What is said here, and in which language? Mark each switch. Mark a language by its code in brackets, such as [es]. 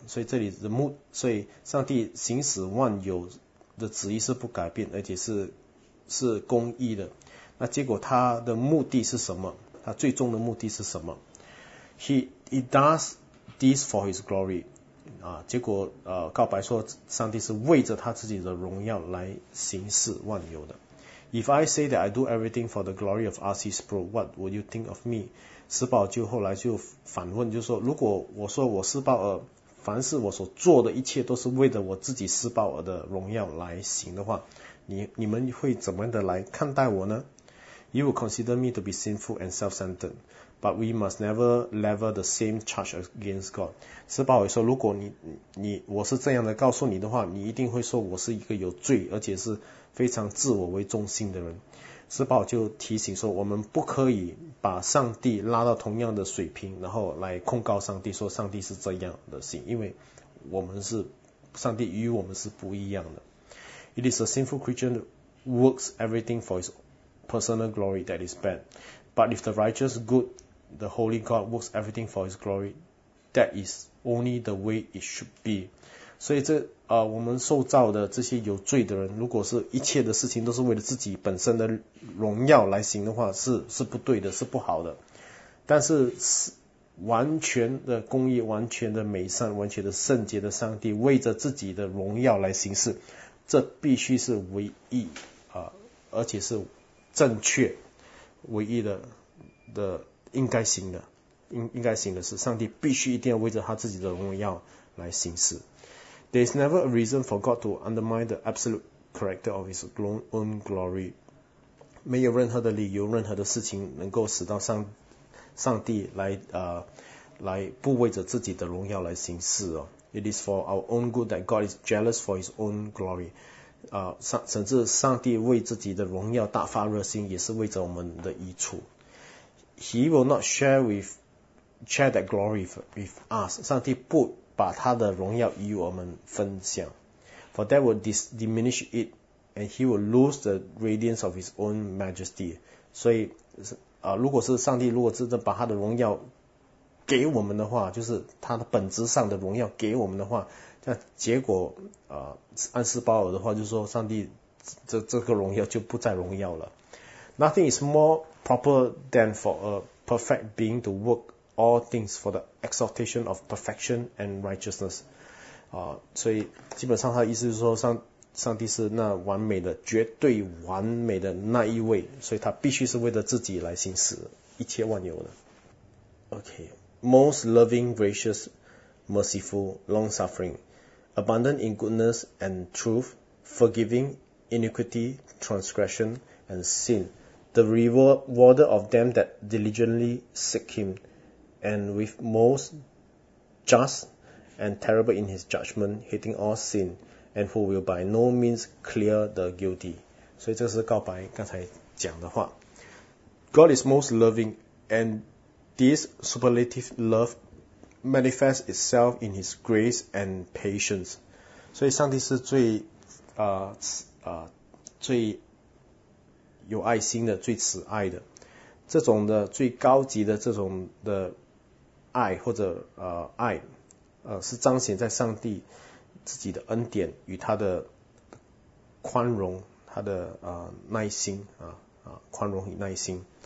[zh] 所以这里的目，所以上帝行使万有的旨意是不改变，而且是公义的。那结果他的目的是什么？他最终的目的是什么？ [en] He does this for his glory. [zh] 啊，结果告白说上帝是为着他自己的荣耀来行使万有的。 [en] If I say that I do everything for the glory of R.C. Sproul, what would you think of me? [zh] 斯宝就后来就反问，就说如果我说我斯宝尔凡是我所做的一切都是为了我自己斯宝尔的荣耀来行的话，你们会怎么的来看待我呢？ [en] You will consider me to be sinful and self-centered, but we must never level the same charge against God. [zh] 斯宝尔说，如果我是这样的告诉你的话，你一定会说我是一个有罪，而且是非常自我为中心的人。斯宝就提醒说，我们不可以把上帝拉到同样的水平，然后来控告上帝说上帝是这样的心，因为我们是上帝与我们是不一样的。 [en] It is a sinful creature that works everything for his, personal glory that is bad. But if the righteous good, the holy God, works everything for his glory, that is only the way it should be. [zh] 所以这我们受造的这些有罪的人，如果是一切的事情都是为了自己本身的荣耀来行的话，是不对的，是不好的。但是完全的公义，完全的美善，完全的圣洁的上帝为着自己的荣耀来行事，这必须是唯一而且是正确唯一的应该行的，应该行的是上帝必须一定要为着他自己的荣耀来行事。 [en] There is never a reason for God to undermine the absolute character of his own glory. [zh] 没有任何的理由，任何的事情能够使到上帝来不为着自己的荣耀来行事哦。 [en] It is for our own good that God is jealous for his own glory. [zh] 甚至上帝为自己的荣耀大发热心，也是为着我们的益处。 [en] He will not share that glory with us. [zh] 上帝不把他的荣耀与我们分享。 [en] For that will diminish it, and he will lose the radiance of his own majesty. [zh] 所以如果是上帝如果真的把他的荣耀给我们的话，就是他的本质上的荣耀给我们的话，那结果暗示包尔的话就是说上帝这个荣耀就不再荣耀了。 [en] Nothing is more proper than for a perfect being to work all things for the exaltation of perfection and righteousness. [zh] 所以基本上他的意思就是说上帝是那完美的，绝对完美的那一位，所以他必须是为了自己来行事一切万有的。 [en] Okay, most loving, gracious, merciful, long-suffering, abundant in goodness and truth, forgiving iniquity, transgression, and sin, the rewarder of them that diligently seek him, and with most just and terrible in his judgment, hating all sin,and who will by no means clear the guilty. [zh] 所以这是告白刚才讲的话。 [en] God is most loving, and this superlative love manifests itself in his grace and patience. [zh] 所以上帝是最有爱心的，最慈爱的。这种的最高级的这种的爱或者爱是彰显在上帝自己的恩典与他的宽容，他的耐心宽容与耐心。